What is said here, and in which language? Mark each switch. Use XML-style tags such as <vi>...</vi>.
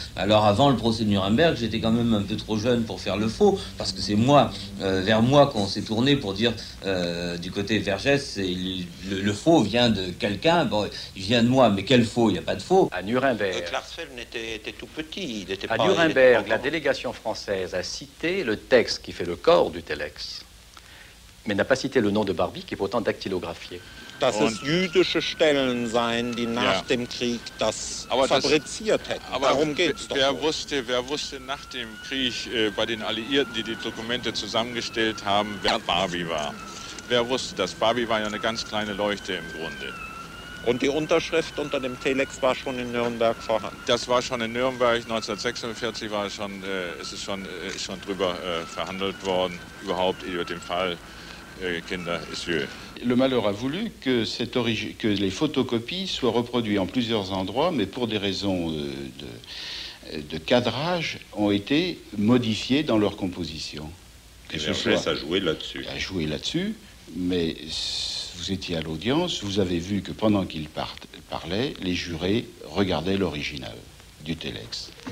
<fr>Alors avant le procès de Nuremberg, j'étais quand même un peu trop jeune pour faire le faux, parce que c'est moi, vers moi qu'on s'est tourné pour dire du côté Vergès, c'est le faux vient de quelqu'un, bon, il vient de moi, mais quel faux, il n'y a pas de faux. À Nuremberg. Klarsfeld était tout petit, il n'était pas... À Nuremberg, la délégation française a cité le texte qui fait le corps du Telex, mais n'a pas cité le nom de Barbie, qui est pourtant dactylographié.</fr> <de>Dass es jüdische Stellen seien, die nach dem Krieg das fabriziert hätten. Aber darum geht's doch. Wer wusste nach dem Krieg bei den Alliierten, die die Dokumente zusammengestellt haben, wer Barbie war? Wer wusste das? Barbie war ja eine ganz kleine Leuchte im Grunde. Und die Unterschrift unter dem Telex war schon in Nürnberg vorhanden? Das war schon in Nürnberg, 1946 war es schon, ist schon drüber verhandelt worden, überhaupt über den Fall Kinder Israel.</de> <fr>Le malheur a voulu que, que les photocopies soient reproduites en plusieurs endroits, mais pour des raisons de cadrage, ont été modifiées dans leur composition. Que et Vergès a joué là-dessus. A joué là-dessus, mais vous étiez à l'audience, vous avez vu que pendant qu'il parlait, les jurés regardaient l'original du Telex.</fr>